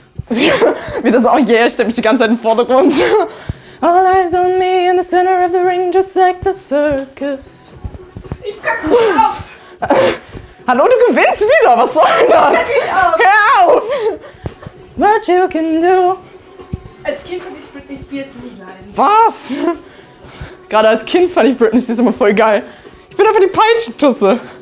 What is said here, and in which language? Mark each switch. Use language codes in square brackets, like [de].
[de] Wie das auch Yeah, stell mich die ganze Zeit im Vordergrund. [en] All eyes on me in the center of the ring, just like the circus. [de] Ich kack mich auf! Hallo, du gewinnst wieder! Was soll denn das? Hör auf! [en] What you can do? [de] Als Kind fand ich Britney Spears nie leiden. Was? Gerade als Kind fand ich Britney Spears immer voll geil. Ich bin einfach die Peitschentusse.